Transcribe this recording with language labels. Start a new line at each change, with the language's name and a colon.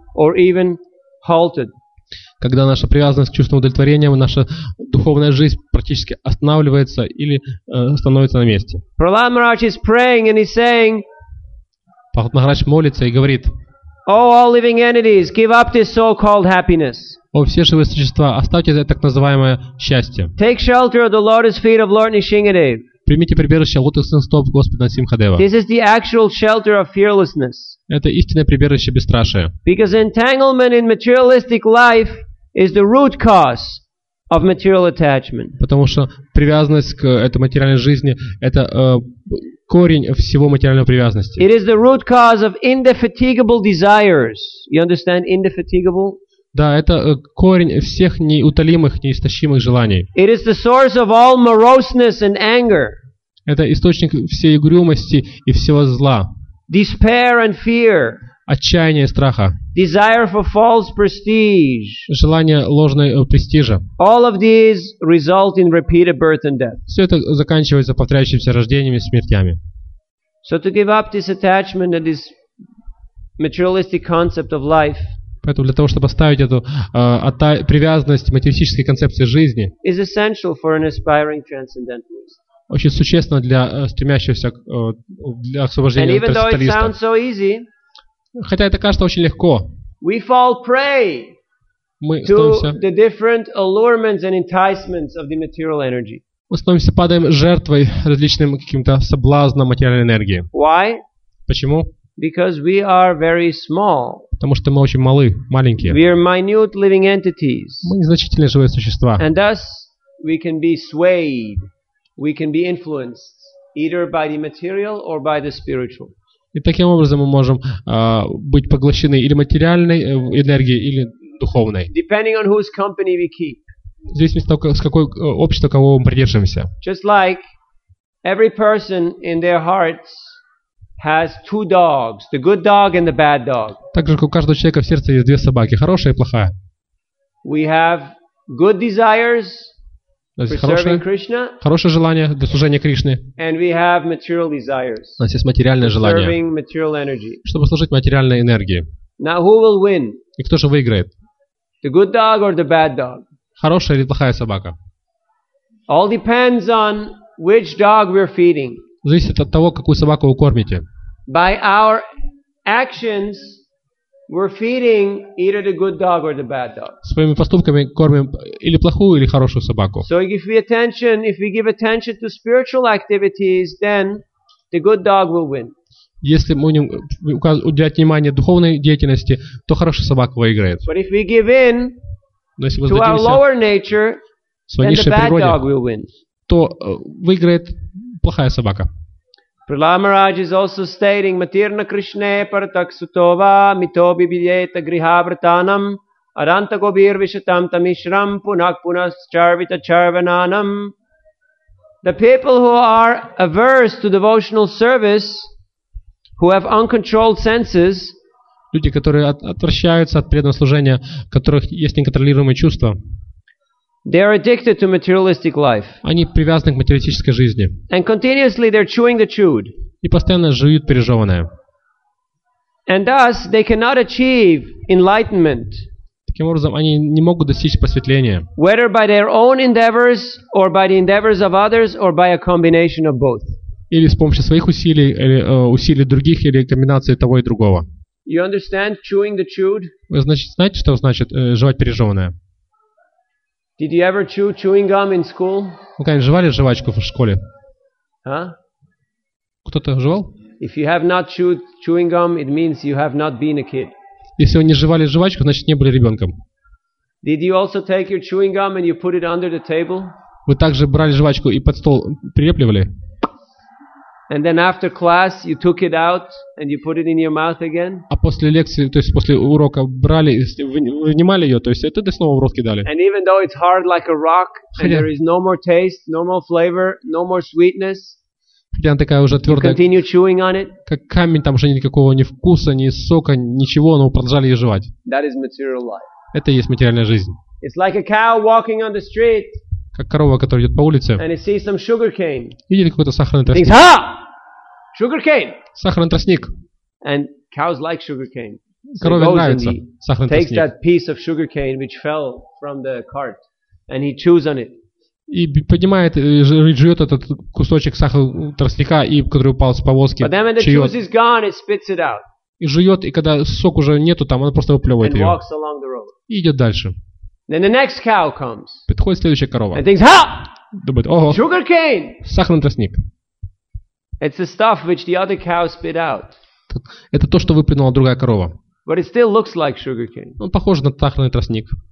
English: Or even halted.
Russian: Когда наша привязанность к чувственному удовлетворению, наша духовная жизнь практически останавливается или становится на месте.
English: Prahlad Maharaj is praying and he's saying.
Russian: Prahlad Maharaj молится и говорит.
English: Oh, all living entities, give up this so-called happiness.
Russian: О, все живые существа, оставьте это так называемое счастье.
English: Take shelter of the lotus feet of Lord Nishingadev.
Russian: Примите прибежище лотосных стоп Господа Симхадева.
English: This is the actual shelter of fearlessness.
Russian: Это истинное прибежище бесстрашия.
English: Because entanglement in materialistic life is the root cause of material attachment.
Russian: Потому что привязанность к этой материальной жизни – это корень всего материального привязанности.
English: It is the root cause of indefatigable desires. You understand indefatigable?
Russian: Да, это корень всех неутолимых, неистощимых желаний.
English: It is the source of all moroseness and anger.
Russian: Это источник всей угрюмости и всего зла.
English: Despair and fear.
Russian: Отчаяние и страха.
English: Desire for false prestige.
Russian: Желание ложного престижа.
English: All of these result in repeated birth and death.
Russian: Все это заканчивается повторяющимися рождениями и смертями.
English: So to give up this attachment and this materialistic concept of life.
Russian: Поэтому для того, чтобы оставить эту привязанность к материалистической концепции жизни,
English: is essential for an aspiring transcendentalist.
Russian: Очень существенно для стремящегося для освобождения от трансценденталиста. Хотя это кажется очень легко.
English: We fall prey to the different allurements and enticements of the material energy.
Russian: Мы становимся падаем жертвой различным каким-то соблазнам материальной энергии.
English: Why?
Russian: Почему?
English: Because we are very small.
Russian: Потому что мы очень малы, маленькие.
English: We are minute living entities.
Russian: Мы незначительные живые существа.
English: And thus we can be swayed, we can be influenced either by the material or by the spiritual.
Russian: И таким образом мы можем быть поглощены или материальной энергией, или духовной.
English: Depending on whose company we keep.
Russian: В зависимости от того, с какой общества, кого мы придерживаемся.
English: Just like every person in their hearts has two dogs, the good dog and the bad dog.
Russian: Так же, как у каждого человека в сердце есть две собаки, хорошая и плохая.
English: We have good desires for serving Krishna.
Russian: Хорошее желание для служения Кришне.
English: And we have material desires.
Russian: У нас есть материальное желание.
English: Serving material energy.
Russian: Чтобы служить материальной энергии.
English: Now who will win?
Russian: И кто же выиграет?
English: The good dog or the bad dog?
Russian: Хорошая или плохая собака?
English: All depends on which dog we're feeding.
Russian: Зависит от того, какую собаку вы кормите.
English: By our actions, we're feeding either the good dog or the bad dog.
Russian: Своими поступками кормим или плохую, или хорошую собаку.
English: So if we give attention to spiritual activities, then the good dog will win.
Russian: Если мы будем уделять внимание духовной деятельности, то хорошая собака выиграет.
English: But if we give in to our lower nature, then the bad dog will win.
Russian: То выиграет плохая собака.
English: Prahlada Maharaj is also stating,
Sanskrit: Matirna Krishne Parataksutova Mitobi Vidyeta Grihavratanam Adanta Gobir Vishatam Tamishram Punak Punas Charvita Charvananam.
English: The people who are averse to devotional service, who have uncontrolled senses,
Russian: люди, которые отвращаются от преданного служения, у которых есть неконтролируемые чувства,
English: they are addicted to materialistic life.
Russian: Они привязаны к материалистической жизни.
English: And continuously they're chewing the chewed.
Russian: И постоянно жуют пережеванное.
English: And thus they cannot achieve enlightenment.
Russian: Таким образом, они не могут достичь просветления.
English: Whether by their own endeavors or by the endeavors of others or by a combination of both.
Russian: Или с помощью своих усилий, или усилий других, или комбинации того и другого.
English: You understand chewing the chewed?
Russian: Вы знаете, что значит жевать пережеванное?
English: Did you ever chew chewing gum in school?
Russian: Вы когда-нибудь жевали жвачку в школе? Huh? Кто-то жевал?
English: If you have not chewed chewing gum, it means you have not been a kid.
Russian: Если вы не жевали жвачку, значит не были ребенком.
English: Did you also take your chewing gum and you put it under the table?
Russian: Вы также брали жвачку и под стол прилепливали?
English: And then after class you took it out and you put it in your mouth again.
Russian: А после лекции, то есть после урока брали, вынимали ее, то есть это ты снова в рот кидали.
English: And even though it's hard like a rock and there is no more taste, no more flavor, no more sweetness.
Russian: Хотя она такая уже твердая.
English: Continue chewing on it.
Russian: Как камень, там уже никакого ни вкуса, ни сока, ничего, но продолжали ее жевать.
English: That is material life.
Russian: Это и есть материальная жизнь.
English: It's like a cow walking on the street.
Russian: Как корова, которая идет по улице.
English: And it sees some sugar cane.
Russian: Видели какой-то сахарный тростник?
English: Thinks, ha! Sugar cane.
Russian: Сахарный тростник.
English: And cows like sugar cane.
Russian: Корове нравится сахарный тростник.
English: Takes that piece of sugar cane which fell from the cart, and he chews on it.
Russian: И поднимает, жует этот кусочек сахарного тростника, и который упал с повозки.
English: But then when the juice is gone, it spits it out.
Russian: И жует, и когда сок уже нету там, он просто выплевывает ее.
English: And walks along the road.
Russian: И идет дальше.
English: Then the next cow comes.
Russian: Подходит следующая корова.
English: And thinks, ha!
Russian: Думает, ого.
English: Sugar cane.
Russian: Сахарный тростник.
English: It's the stuff which the other cow spit out.
Russian: Это то, что выплюнула другая корова.
English: But it still looks like sugar cane.
Russian: Он похож на сахарный тростник.